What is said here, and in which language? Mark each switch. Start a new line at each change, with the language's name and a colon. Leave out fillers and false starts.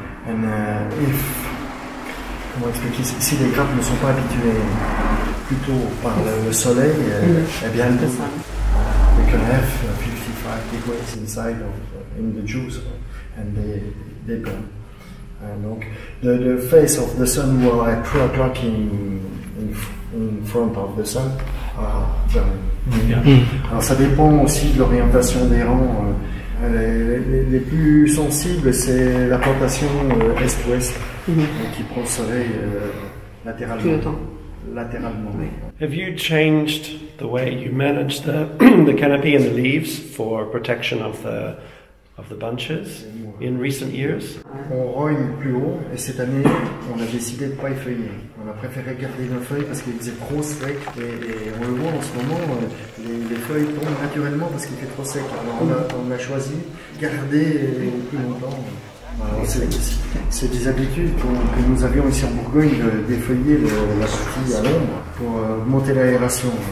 English: And if...
French: Comment expliquer ça? Si les grappes ne sont pas habituées plutôt par le soleil, eh bien,
English: they can have 55 degrees inside of in the juice and they burn. And
French: donc,
English: the face of the sun were at 3 o'clock in front of the sun are burning. Mmh.
French: Alors ça dépend aussi de l'orientation des rangs. Les plus sensibles, c'est la plantation est-ouest qui prend le soleil latéralement. Oui.
English: Have you changed the way you manage the canopy and the leaves for protection of the bunches in recent years?
French: On rogne plus haut et cette année on a décidé de ne pas effeuiller. On a préféré garder nos feuilles parce qu'il faisait trop sec et on le voit en ce moment, les feuilles tombent naturellement parce qu'il fait trop sec. Alors on a choisi de garder plus longtemps. Alors c'est des habitudes que nous avions ici en Bourgogne de défeuiller la partie à l'ombre pour monter l'aération.